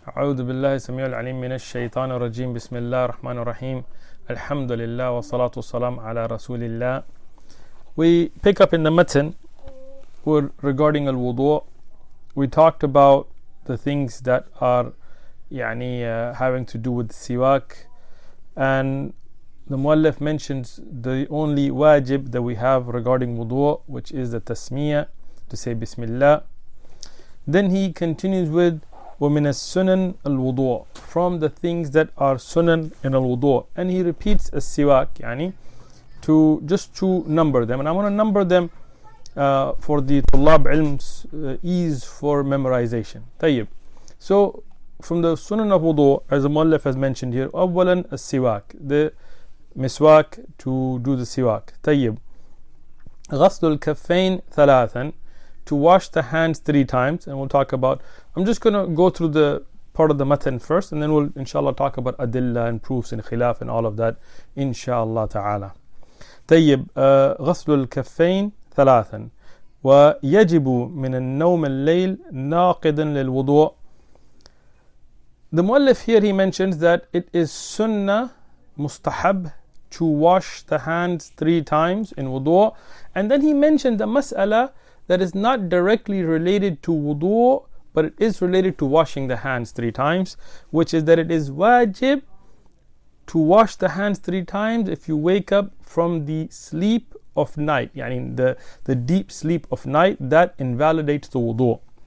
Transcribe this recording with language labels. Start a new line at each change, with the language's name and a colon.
Arabic: أعوذ بالله السميع العليم من الشيطان الرجيم بسم الله الرحمن الرحيم الحمد لله والصلاة والسلام على رسول الله.
English: We pick up in the matn regarding al-wudu. We talked about the things that are having to do with siwak, and the muallif mentions the only wajib that we have regarding wudu, which is the tasmiyah, to say bismillah. Then he continues with
Arabic: وَمِنَ السُّنَنِ الْوُضُوءِ,
English: from the things that are sunan in al-wudu'. And he repeats as-siwak, to number them. And I want to number them for the tulab ilm's ease for memorization.
Arabic: طيب.
English: So, from the sunan of wudu', as the muallif has mentioned here,
Arabic: أَوَّلًا السِّوَاك,
English: the miswak, to do the siwak.
Arabic: طيب. غَسْلُ الْكَفَّيْنِ ثَلَاثًا,
English: to wash the hands three times. And we'll talk about, I'm just going to go through the part of the matan first, and then we'll inshallah talk about adilla and proofs and khilaf and all of that inshallah ta'ala.
Arabic: طيب غسل الكفين ثلاثا ويجب من النوم الليل ناقضا للوضوء.
English: The muallif here, he mentions that it is sunnah, mustahab, to wash the hands three times in wudu. And then he mentioned the mas'ala that is not directly related to wudu, but it is related to washing the hands three times, which is that it is wajib to wash the hands three times if you wake up from the sleep of night, the deep sleep of night, that invalidates the wudu.